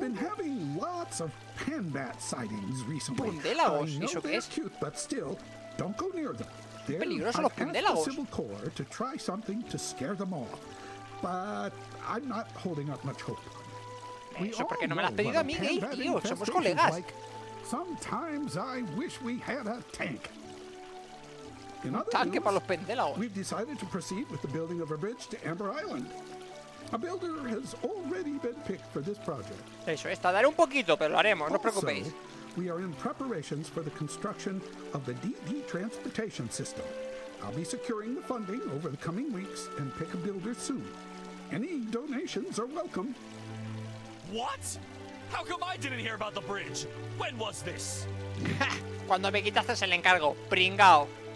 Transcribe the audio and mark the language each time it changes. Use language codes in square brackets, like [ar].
[en] We've been having lots of panbat sightings recently. Pundélagos, [es] ¿eso qué es? [en] Cute, but still, don't go near them. They're [es] peligrosos los pundélagos. [en] I've asked the Civil Corps to try something to scare them off, but I'm not holding up much hope. [es] Eso porque no me lo has pedido a mí, ¿eh, tío? Somos colegas. [en] Sometimes I wish we had a tank. [es] Un tanque para los pundélagos. [en] We've decided to proceed with the building of a bridge to Amber Island. A builder has already been picked for this project. [es] Eso es, tardaré un poquito, pero lo haremos, no os preocupéis. [en] Also, we are in preparations for the construction of the DD transportation system. I'll be securing the funding over the coming weeks and pick a builder soon. Any donations are welcome. What? How come I didn't hear about the bridge? When was this? [es] Cuando me quitaste el encargo, pringao.